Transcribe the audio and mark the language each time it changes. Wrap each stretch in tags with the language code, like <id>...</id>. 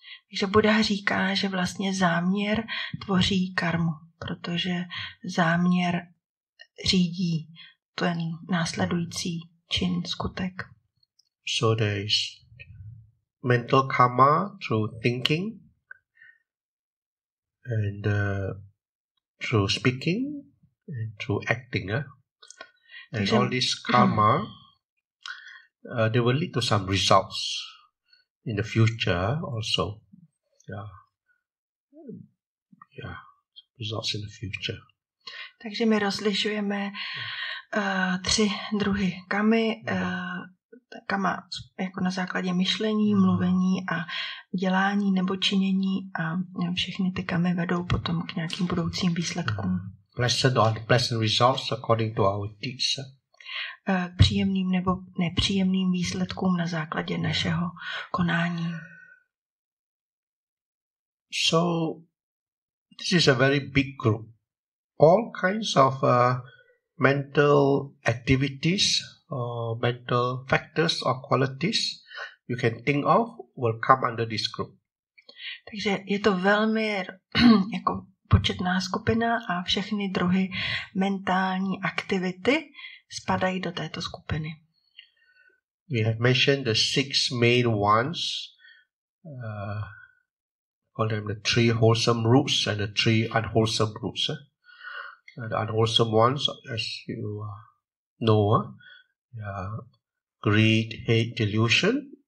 <cs>Takže Buddha říká, že vlastně záměr tvoří karmu, protože záměr řídí ten následující čin, skutek.</cs> <en>So there is mental karma through thinking and through speaking. Through acting, and all this karma, they will lead to some results in the future also. Results in the future.</en> <cs>Takže my rozlišujeme tři druhy kamy, kama jako na základě myšlení, mluvení a dělání nebo činění a všechny ty kamy vedou potom k nějakým budoucím výsledkům.</cs> <en>Pleasant or unpleasant results according to our deeds.</en> <cs>Příjemným nebo nepříjemným výsledkům na základě našeho konání.</cs> <en>So, this is a very big group. All kinds of mental activities or mental factors or qualities you can think of will come under this group.</en> <cs>Takže je to velmi jako početná skupina a všechny druhy mentální aktivity spadají do této skupiny.</cs> <en>We have mentioned the six main ones. Call them the three wholesome roots and the three unwholesome roots. The unwholesome ones, as you know, greed, hate, delusion.</en>